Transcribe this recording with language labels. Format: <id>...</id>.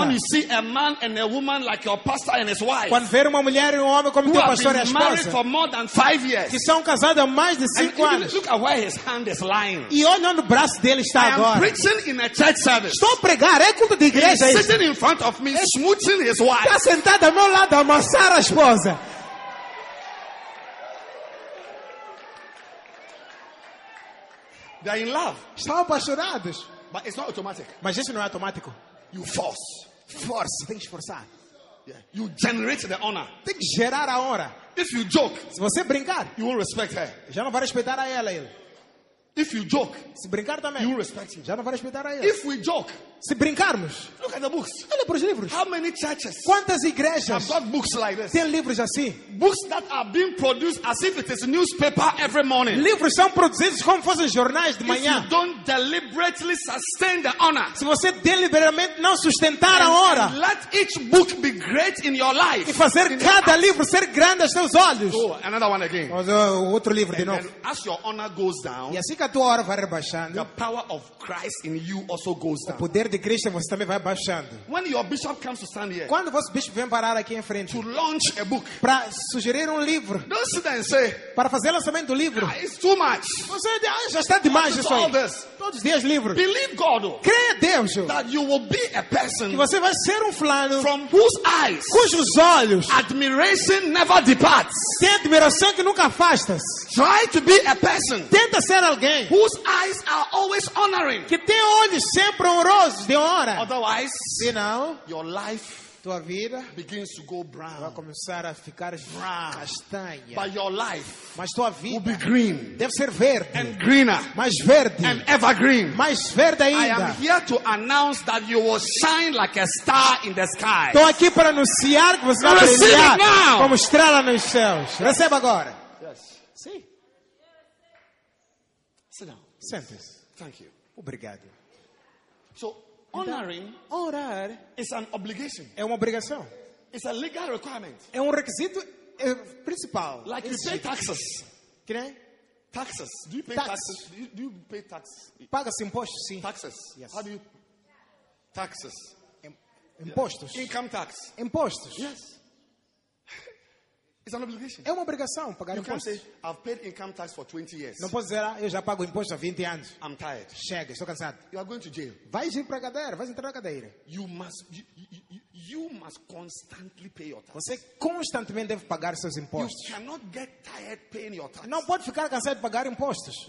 <en>When you see a man and a woman like your pastor and his wife.</en> <pt>Quando ver uma mulher e um homem como teu pastor e a esposa.</pt> <en>Married for more than 5 years.</en> <pt>Que são casados há mais de 5 anos.</pt> <en>And look at where his hand is lying.</en> <pt>E olha onde o braço dele está</pt> <en>I</en> <pt>agora.</pt> <en>I am preaching in a church.</en> <pt>Estou a pregar, é culto de igreja.</pt> <en>He's sitting in front of me, smooching his wife.</en> <pt>Está sentado ao meu lado a amassar a esposa.</pt> <en>They're in love.</en> <pt>Estão apaixonados.</pt> <en>But it's not automatic.</en> <pt>Mas isso não é automático.</pt> <en>You force.</en> <pt>Force. Tem que esforçar.</pt> <en>Yeah. You generate the honor.</en> <pt>Tem que gerar a honra.</pt> <en>If you joke,</en> <pt>se você brincar,</pt> <en>you won't respect her.</en> <pt>Já não vai respeitar a ela. Ele.</pt> <en>If you joke,</en> <pt>se brincar também,</pt> <en>you respect him.</en> <pt>Já não vai respeitar a ele.</pt> <en>If we joke,</en> <pt>se brincarmos,</pt> <en>look at the books.</en> <pt>Olha para os livros.</pt> <en>How many churches?</en> <pt>Quantas igrejas?</pt> <en>Have got books like this.</en> <pt>Tem livros assim.</pt> <en>Books that are being produced as if it is newspaper every morning.</en> <pt>Livros são produzidos como fossem jornais de manhã.</pt> <en>If you don't deliberately sustain the honor,</en> <pt>se você deliberadamente não sustentar a honra,</pt> <en>and let each book be great in your life,</en> <pt>e fazer cada livro ser grande aos teus olhos.</pt> <en>Oh, another one again.</en> <pt>Outro livro</pt> <en>and</en> <pt>de novo.</pt> <en>Then, as your honor goes down.</en> <pt>E assim que a tua hora vai rebaixando.</pt> <en>The power of Christ in you also goes down.</en> <pt>O poder de Cristo em você também vai baixando.</pt> <en>When your bishop comes to stand here,</en> <pt>quando o vosso bispo vem parar aqui em frente,</pt> <en>to launch a book,</en> <pt>para sugerir livro,</pt> <en>don't sit there and say,</en> <pt>para fazer lançamento do livro,</pt> <en>it's too much.</en> <pt>Você já está demais isso aí.</pt> <en>All this.</en> <pt>Todos os dias livro.</pt> <en>Believe God,</en> <pt>creia Deus,</pt> <en>that you will be a person,</en> <pt>que você vai ser fulano,</pt> <en>from whose eyes,</en> <pt>cujos olhos,</pt> <en>admiration never departs.</en> <pt>Tem admiração que nunca afasta.</pt> <en>Try to be a person,</en> <pt>tenta ser alguém.</pt> <en>Whose eyes are always honoring?</en> <pt>Que tem olhos sempre honrosos de honra.</pt> <en>Otherwise,</en> <pt>se não,</pt> <en>your life,</en> <pt>tua vida,</pt> <en>begins to go brown.</en> <pt>Vai começar a ficar</pt> <en>brown,</en> <pt>castanha.</pt> <en>But your life,</en> <pt>mas tua vida,</pt> <en>will be green,</en> <pt>deve ser verde,</pt> <en>and greener,</en> <pt>mais verde,</pt> <en>and evergreen,</en> <pt>mais verde ainda.</pt> <en>I am here to announce that you will shine like a star in the sky.</en> <pt>Estou aqui para anunciar que você vai brilhar como estrela nos céus. Receba agora.</pt> <en>Sit down.</en> <pt>Sentes.</pt> <en>Thank you.</en> <pt>Obrigado.</pt> <en>So, honoring,</en> <pt>então, honrar</pt> <en>is an obligation.</en> <pt>É uma obrigação.</pt> <en>It's a legal requirement.</en> <pt>É requisito principal.</pt> <en>Like you pay taxes.</en> <pt>Que nem?</pt> <en>Taxes. Do you pay taxes? Do you pay taxes?</en> <pt>Paga-se impostos, sim.</pt> <en>Taxes. Yes. How do you? Taxes.</en> <pt>Impostos.</pt> <en>Yeah. Income tax.</en> <pt>Impostos.</pt> <en>Yes. It's an obligation.</en> <pt>É uma obrigação pagar</pt> <en>imposto. You can't say, I've paid income tax for 20 years.</en> <pt>Não posso dizer, eu já pago imposto há 20 anos.</pt> <en>I'm tired.</en> <pt>Chega, estou cansado.</pt> <en>You are going to jail.</en> <pt>Vai ir para a cadeira, vai entrar na cadeira.</pt> <en>You must, you, You must constantly pay your tax.</en> <pt>Você constantemente deve pagar seus impostos.</pt> <en>You cannot get tired paying your tax.</en> <pt>Não pode ficar cansado de pagar impostos.</pt>